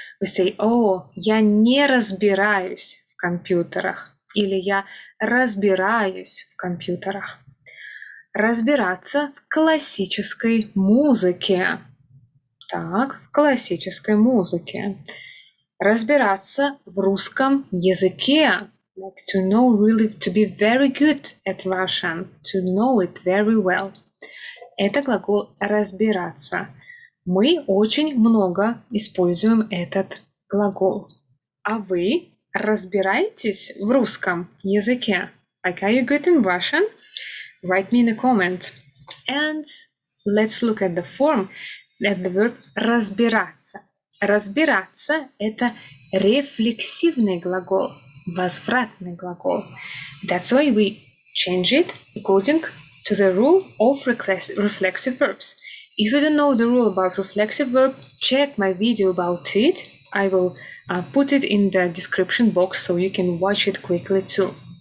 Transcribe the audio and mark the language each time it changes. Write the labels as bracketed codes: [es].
[en] We say, oh, [ru] я не разбираюсь в компьютерах, или я разбираюсь в компьютерах. Разбираться в классической музыке. Так, в классической музыке. Разбираться в русском языке. [en] Like to know really, to be very good at Russian, to know it very well. [ru] Это глагол «разбираться». Мы очень много используем этот глагол. А вы разбираетесь в русском языке? [en] Like, are you good in Russian? Write me in a comment. And let's look at the form, at the verb «разбираться». [ru] «Разбираться» — это рефлексивный глагол, возвратный глагол. [en] That's why we change it according to the rule of reflexive verbs. If you don't know the rule about reflexive verb, check my video about it. I will put it in the description box so you can watch it quickly too.